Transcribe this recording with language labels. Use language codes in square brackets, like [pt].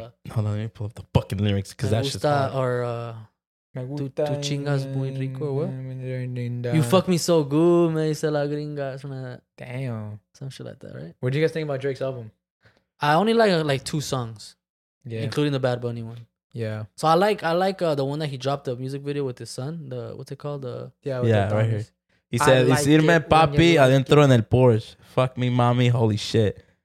[en] Hold on, let me pull up the fucking lyrics because that's just. [es] Tu chingas muy rico, what? [en] You fuck me so good, [es] me dice la gringa. [en] Damn. Some shit like that, right? What do you guys think about Drake's album? I only like two songs. Yeah. Including the Bad Bunny one. Yeah. So I like the one that he dropped the music video with his son. What's it called? Right here. He said, decirme like papi [es] adentro en el Porsche. [en] Fuck me, mommy. Holy shit.